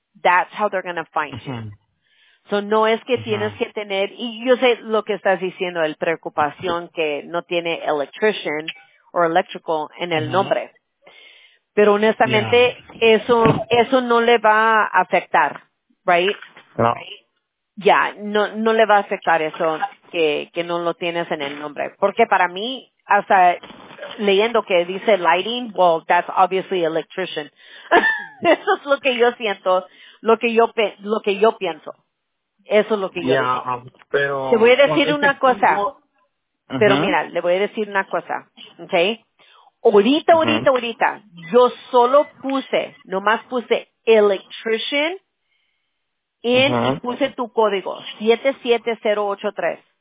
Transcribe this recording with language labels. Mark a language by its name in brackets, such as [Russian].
[English] That's how they're going to find you. [Spanish] So no es que tienes que tener, y yo sé lo que estás diciendo, el preocupación que no tiene electrician or electrical en el nombre. Pero honestamente, eso no le va a afectar, right? No. Yeah, no le va a afectar eso que no lo tienes en el nombre. Porque para mí, hasta... leyendo que dice [English] lighting, well, that's obviously electrician. [Spanish] Eso es lo que yo siento, lo que yo pienso. Eso es lo que yo pero... Te voy a decir una cosa. Pero mira, le voy a decir una cosa, ¿okay? Ahorita, yo solo puse electrician en, y puse tu código, 77083.